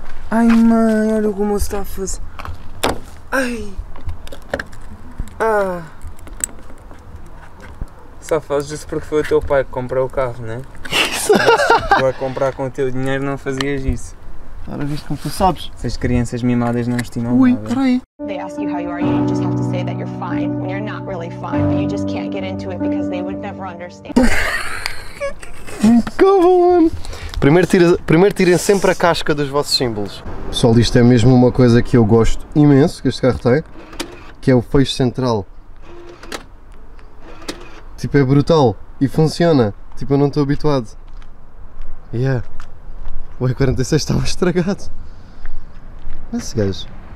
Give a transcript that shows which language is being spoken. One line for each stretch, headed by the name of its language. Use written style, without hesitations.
Portuguese: Ai mãe, olha o que o moço está a fazer. Ai! Ah! Só fazes isso porque foi o teu pai que comprou o carro, não é? Se vai comprar com o teu dinheiro, não fazias isso. Agora viste como tu sabes. Essas crianças mimadas não estimam ui, nada. Ui, peraí.
English: They ask you how you are, you just have to say that you're fine, when you're not really fine, but you just can't get into it because they would never understand. Come on.
Portuguese: Primeiro tirem sempre a casca dos vossos símbolos. Pessoal, isto é mesmo uma coisa que eu gosto imenso, que este carro tem, que é o fecho central. Tipo, é brutal e funciona. Tipo, eu não estou habituado.
English: Yeah.
Portuguese: O E46 estava estragado. Olha esse gajo.